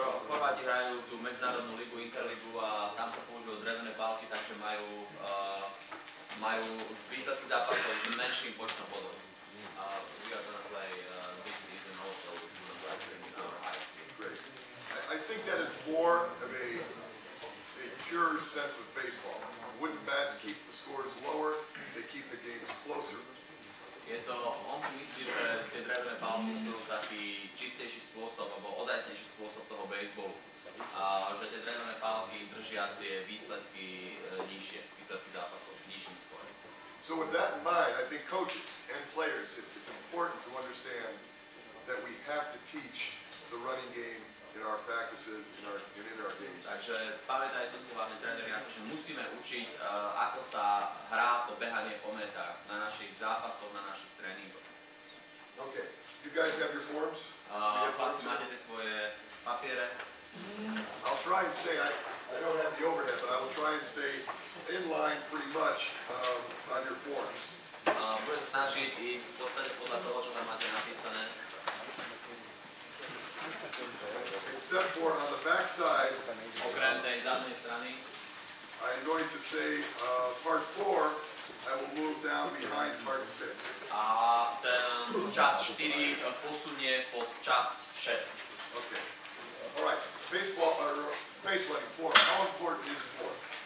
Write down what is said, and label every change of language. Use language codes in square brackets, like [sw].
[sk] Chorváti hrajú tú medzinárodnú ligu, Interligu, a tam sa používajú drevené bálky, takže majú výsledky zápasov s menším počtom bodov. [en] We are gonna play this season also with the black team in our high school. Great. I think that is more of a pure sense of baseball. Wooden bats keep the scores lower, they keep the games closer. [sk] Je to, on si myslí, že tie drevené bálky sú taký čistejší spôsob, alebo ozajstnejší spôsob toho baseballu. A že tie drevené bálky držia tie výsledky nižšie, výsledky zápasov nižším skóre. [en] So with that in mind, I think coaches and players, it's important to understand that we have to teach the running game in our practices and in our games. [sk] Takže pamätajte si hlavne tréneri, že musíme učiť, ako sa hrá to behanie po metách na našich zápasoch, na našich tréningoch. [en] Okay, you guys have your forms? [sk] Chlapci, máte tie svoje papiere? [en] I'll try and stay, I don't have the overhead, but I will try and stay in line pretty much on your forms. [sk] Budete snažiť ísť v podstate podľa toho, čo tam máte napísané. [en] Except for on the back side, [sk] okrem tej zadnej strany, [en] I am going to say part 4, I will move down behind part 6. [sk] A ten časť 4 posunie pod časť 6. [en] Okay. All right. Baseball, or base running form, how important is form?